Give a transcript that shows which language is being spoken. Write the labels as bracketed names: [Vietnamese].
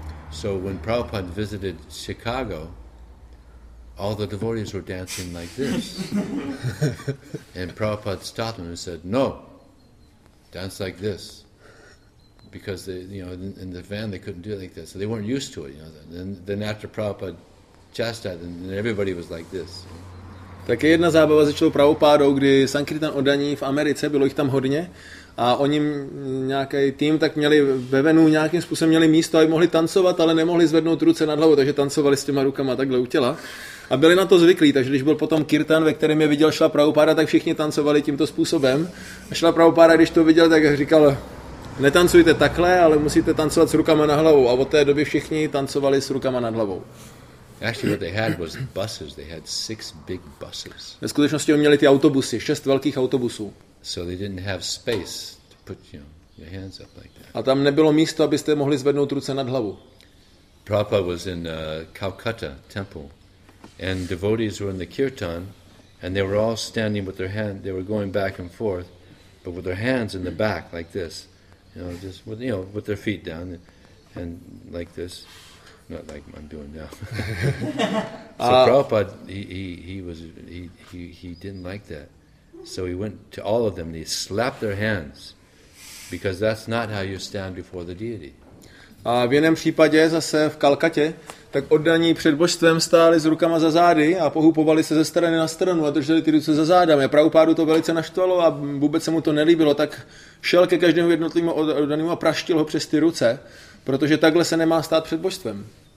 [English] So when Prabhupada visited Chicago, all the devotees were dancing like this. And Prabhupada stopped him and said, no, dance like this. because they, you know, in the van they couldn't do it like that, so they weren't used to it, you know. Then after Prabhupada chastised them, and everybody was like this. [Czech] Tak jedna zábava začala Prabhupádou, kdy sankirtan oddaní v Americe, bylo jich tam hodně, a oni nějaký tým tak měli ve venu nějakým způsobem měli místo, aby mohli tancovat, ale nemohli zvednout ruce nad hlavu, takže tancovali s těma rukama takhle u těla. A byli na to zvyklí, takže když byl potom kirtan, ve kterém je viděl Šila Prabhupáda, tak všichni tancovali tímto způsobem. A Šila Prabhupáda, když to viděl, tak říkal, netancujte takhle, ale musíte tancovat s rukama nad hlavou. A od té doby všichni tancovali s rukama nad hlavou. [English] Actually, what they had was buses. They had six big buses. [Czech] Ve skutečnosti oni měli ty autobusy, šest velkých autobusů. [English] So they didn't have space to put, you know, your hands up like that. [Czech] A tam nebylo místo, abyste mohli zvednout ruce nad hlavu. [English] Prabhupada was in Calcutta temple, and devotees were in the kirtan, and they were all standing with their hands. They were going back and forth, but with their hands in the back like this, you know, just with, you know, with their feet down, and like this. Not like I'm doing now. So Prabhupada, he didn't like that. So he went to all of them. And he slapped their hands, because that's not how you stand before the deity. [Czech] A v jiném případě zase v Kalkatě, tak oddaní před božstvem stáli s rukama za zády a pohupovali se ze strany na stranu a drželi ty ruce za zádami. Pravopádu to velice naštvalo a vůbec se mu to nelíbilo. Tak šel ke každému jednotlivému oddanému a praštil ho přes ty ruce. Protože takhle se nemá stát před božstvem.